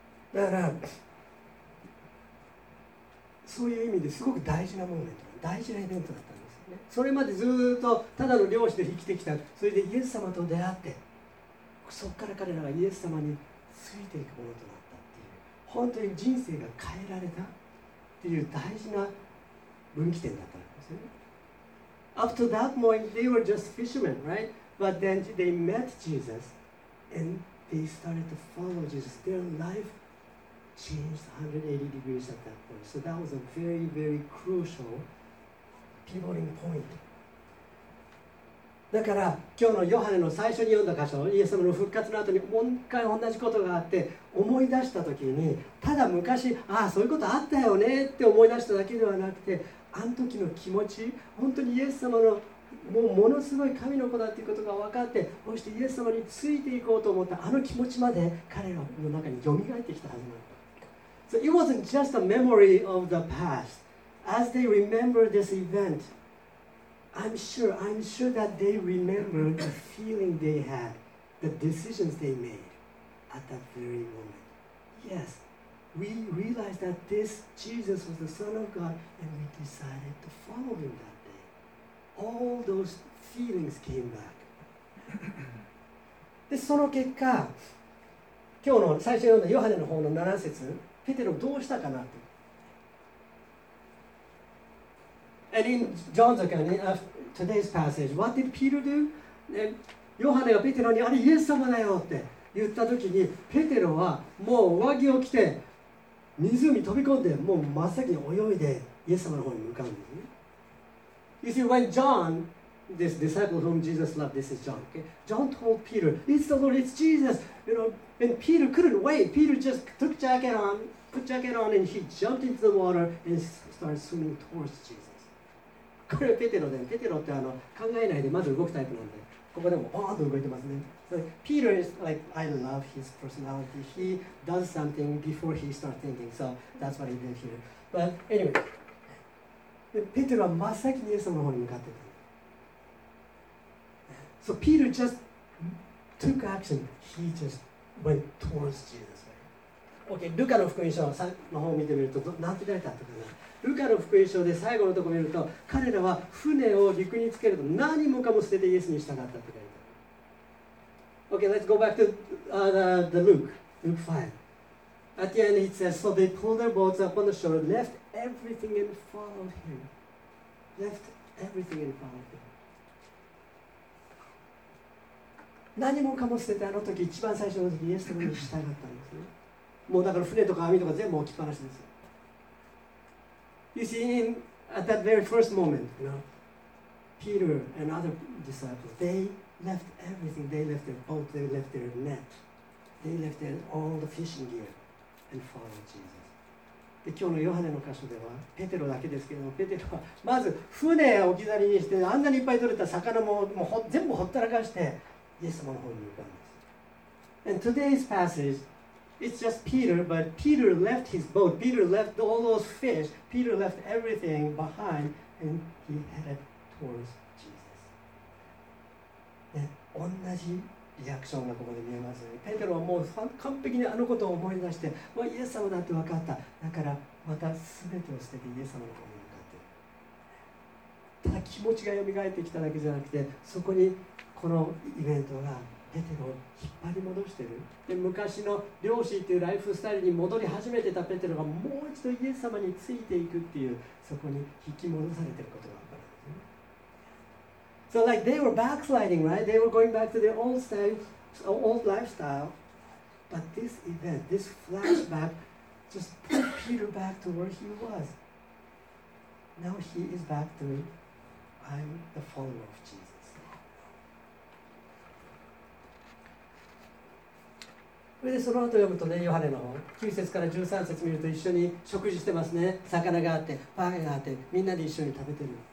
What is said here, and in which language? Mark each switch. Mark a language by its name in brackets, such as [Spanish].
[Japanese] だから、そういう意味ですごく大事なモーメント、大事なイベントだったんですよね。それまでずっとただの漁師で生きてきた、それでイエス様と出会って、そっから彼らがイエス様についていくものとなったっていう、本当に人生が変えられたっていう大事な分岐点だったんですよね。 [English] Up to that point, they were just fishermen, right? But then they met Jesus, and they started to follow Jesus. Their life changed 180 degrees at that point. So that was a very, very crucial pivoting point. [Japanese] だから今日のヨハネの最初に読んだ箇所、イエス様の復活の後にもう一回同じことがあって思い出した時に、ただ昔、ああそういうことあったよねって思い出しただけではなくて、あの時の気持ち、本当にイエス様のもうものすごい神の子だっていうことが分かって、そしてイエス様についていこうと思ったあの気持ちまで彼らの中に蘇ってきたはずなんだ。 [English] So it wasn't just a memory of the past. As they remember this event, I'm sure that they remember the feeling they had, the decisions they made at that very moment. Yes. We realized that this Jesus was the Son of God and we decided to follow him that day. All those feelings came back. [Japanese] で、その結果、今日の最初に読んだヨハネの方の7節、ペテロどうしたかなって。 [English] And in John's account, in today's passage, what did Peter do? [Japanese] ヨハネがペテロにあれイエス様だよって言った時に、ペテロはもう上着を着て、湖に飛び込んで、もう真っ先に泳いで、イエス様の方に向かうんですね。 [English] You see, when John, this disciple whom Jesus loved, this is John, okay? John told Peter, it's the Lord, it's Jesus, you know, and Peter couldn't wait. Peter just put jacket on, and he jumped into the water and started swimming towards Jesus. [Japanese] これはペテロだよ。ペテロってあの考えないでまず動くタイプなんで、ここでもバーンと動いてますね。 [English] So Peter is like, I love his personality. He does something before he starts thinking. So that's what he did here. But anyway, Peter was [Japanese] 真っ先にイエス様の方に向かってた。 [English] So Peter just took action. He just went towards Jesus. [Japanese] Okay, ルカの福音書の方を見てみると、なんて書いてあったかな。ルカの福音書で最後のところを見ると、彼らは船を陸につけると何もかも捨ててイエスに従ったって書いてある。 [English] Okay, let's go back to Luke 5. At the end, it says, So they pulled their boats up on the shore, left everything and followed him. Left everything and followed him. [Japanese] 何もかも捨ててあの時、一番最初の時、イエス様に従ったんですね。もうだから船とか網とか全部置きっぱなしですよ。 [English] You see, in, at that very first moment, you know, Peter and other disciples, they... left everything, they left their boat, they left their net, they left their, all the fishing gear and followed Jesus. [Japanese] で今日のヨハネの箇所ではペテロだけですけども、ペテロはまず船を置き去りにして、あんなにいっぱい取れた魚 もう全部ほったらかしてイエス様の方に向かうんです。 [English] And today's passage it's just Peter, but Peter left his boat, Peter left all those fish, Peter left everything behind and he headed towards Jesus. [Japanese] 同じリアクションがここで見えます。ペテロはもう完璧にあのことを思い出して、もうイエス様だって分かった。だからまた全てを捨ててイエス様の方に向かって。ただ気持ちが蘇ってきただけじゃなくて、そこにこのイベントがペテロを引っ張り戻してる。で昔の漁師っていうライフスタイルに戻り始めてたペテロがもう一度イエス様についていくっていう、そこに引き戻されてることが分かる。 [English] So like they were backsliding, right? They were going back to their old style, old lifestyle. But this event, this flashback, just put Peter back to where he was. Now he is back to, I'm the follower of Jesus. [Japanese] それでその後読むとね、ヨハネの9節から13節見ると一緒に食事してますね。魚があって、パンがあって、みんなで一緒に食べてる。